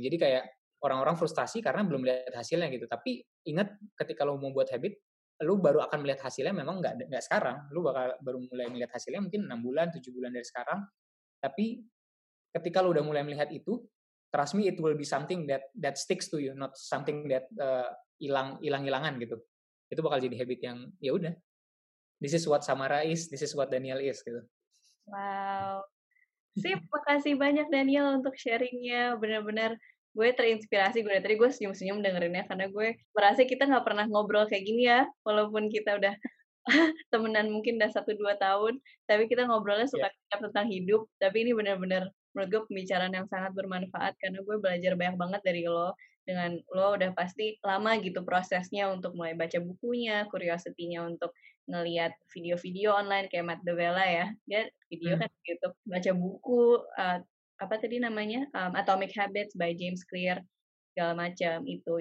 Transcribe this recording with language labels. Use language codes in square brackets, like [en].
[id] Jadi kayak orang-orang frustasi karena belum lihat hasilnya gitu. Tapi ingat ketika lo mau buat habit, lo baru akan melihat hasilnya memang gak sekarang. Lo bakal baru mulai melihat hasilnya mungkin 6 bulan, 7 bulan dari sekarang. Tapi ketika lo udah mulai melihat itu, [en] trust me it will be something that [id] sticks to you, not something that hilang-hilangan gitu. Itu bakal jadi habit yang ya udah. [en] This is what Samara is, this is what Daniel is gitu. Wow. [id] Sip, makasih banyak Daniel untuk sharingnya. Benar-benar gue terinspirasi, gue tadi gue senyum-senyum dengerinnya karena gue merasa kita gak pernah ngobrol kayak gini ya, walaupun kita udah temenan mungkin udah 1-2 tahun, tapi kita ngobrolnya suka yeah. tentang hidup, tapi ini benar-benar menurut gue pembicaraan yang sangat bermanfaat karena gue belajar banyak banget dari lo, dengan lo udah pasti lama gitu prosesnya untuk mulai baca bukunya, curiosity-nya untuk ngelihat video-video online kayak Matt D'Avella ya, dia video kan di YouTube, baca buku, apa tadi namanya, Atomic Habits by James Clear, segala macam itu.